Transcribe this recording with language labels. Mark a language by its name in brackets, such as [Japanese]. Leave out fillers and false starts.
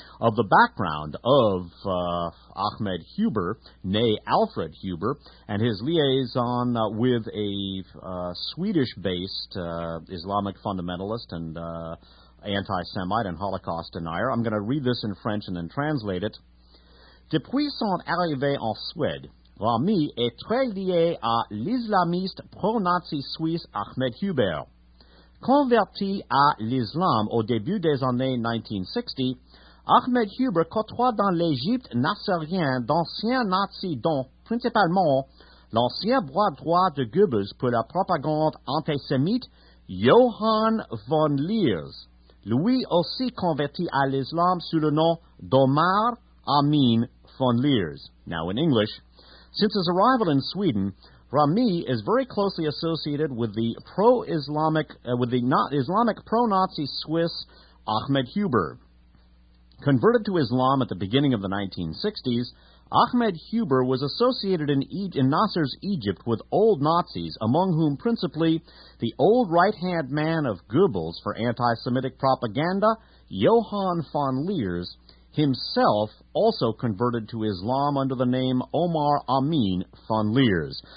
[English] Of the background of Ahmed Huber, nay, Alfred Huber, and his liaison with a Swedish-based Islamic fundamentalist and anti-Semite and Holocaust denier, I'm going to read this in French and then translate it. [French] Depuis son arrivée en Suède, Rami est très lié à l'islamiste pro-Nazi suisse Ahmed Huber. Converti à l'islam au début des années 1960, Ahmed Huber côtoie dans l'Égypte nazarien d'anciens nazis dont, principalement, l'ancien bras droit de Goebbels pour la propagande antisémite Johann von Leers, lui aussi converti à l'islam sous le nom d'Omar Amin von Leers. [English] Now in English, since his arrival in Sweden, Rami is very closely associated with the pro-Islamic, with the not Islamic pro-Nazi Swiss Ahmed Huber. Converted to Islam at the beginning of the 1960s, Ahmed Huber was associated in Nasser's Egypt with old Nazis, among whom principally the old right-hand man of Goebbels for anti-Semitic propaganda, Johann von Leers, himself also converted to Islam under the name Omar Amin von Leers.